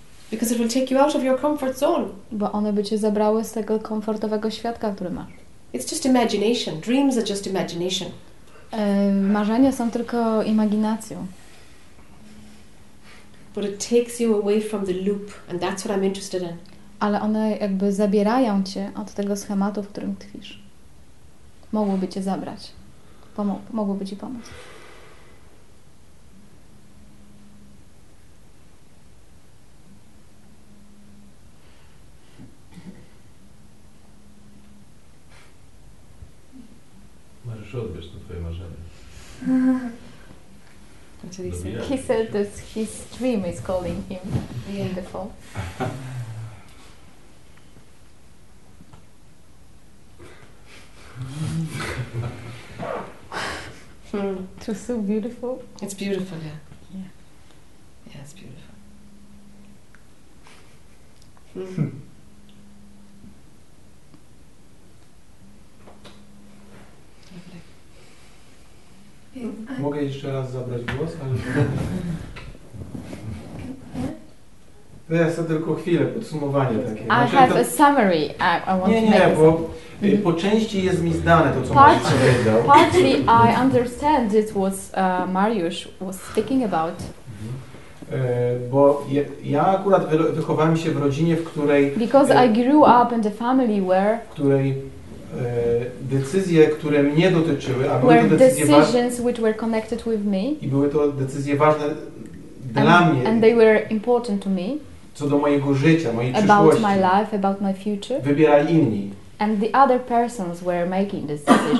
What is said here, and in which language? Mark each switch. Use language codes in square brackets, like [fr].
[en] Because it will take you out of your comfort zone. [pl] Bo one by cię zabrały z tego komfortowego świata, który masz. [en] It's just imagination. Dreams are just imagination. [pl] Marzenia są tylko imaginacją. [en] But it takes you away from the loop, and that's what I'm interested in. [pl] Ale one jakby zabierają cię od tego schematu, w którym tkwisz. Mogłyby cię zabrać. Mogłyby ci pomóc. Możesz odbierz to twoje marzenie. [en] He said that his dream is calling him beautiful. It was so beautiful. It's beautiful, yeah. Yeah. Yeah, it's beautiful. [pl] Mogę jeszcze raz zabrać głos, ale... To jest to tylko chwilę, podsumowanie takie. [en] Znaczy, I have a summary I want to make. [pl] Nie, nie, bo po części jest mi zdane to, co Mariusz powiedział. [en] Partly I understand it was Mariusz was speaking about. [pl] Bo ja akurat wychowałem się w rodzinie, w której... [en] Because I grew up in the family where... [pl] której decyzje, które mnie dotyczyły, a [en] were [pl] były to decyzje ważne, [en] which were connected with me, [pl] i były to decyzje ważne dla mnie, [en] and they were important to me, [pl] co do mojego życia, mojej [en] about [pl] przyszłości, [en] my life, about my future, [pl] wybierali inni, [en] and the other persons were making these decisions.